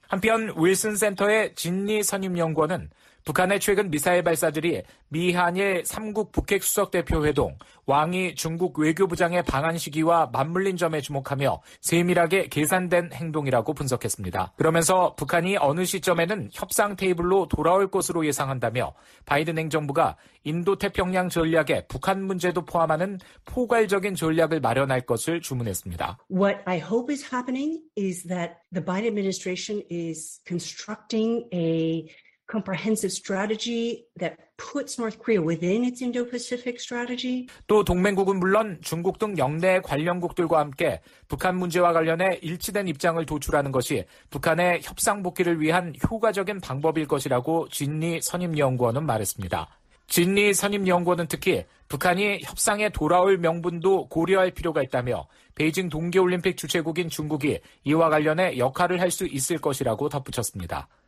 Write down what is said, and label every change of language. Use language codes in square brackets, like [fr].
[ko] 한편 윌슨 센터의 진리 선임 연구원은 북한의 최근 미사일 발사들이 미한일 3국 북핵수석대표회동, 왕이 중국 외교부장의 방한 시기와 맞물린 점에 주목하며 세밀하게 계산된 행동이라고 분석했습니다. 그러면서 북한이 어느 시점에는 협상 테이블로 돌아올 것으로 예상한다며 바이든 행정부가 인도태평양 전략에 북한 문제도 포함하는 포괄적인 전략을 마련할 것을 주문했습니다. [en] What I hope is happening is that the Biden administration is constructing a comprehensive strategy that puts North Korea within its Indo-Pacific strategy. [ko] 또 동맹국은 물론 중국 등 역내 관련국들과 함께 북한 문제와 관련해 일치된 입장을 도출하는 것이 북한의 협상 복귀를 위한 효과적인 방법일 것이라고 진리 선임 연구원은 말했습니다. 진리 선임 연구원은 특히 북한이 협상에 돌아올 명분도 고려할 필요가 있다며 베이징 동계올림픽 주최국인 중국이 이와 관련해 역할을 할 수 있을 것이라고 덧붙였습니다.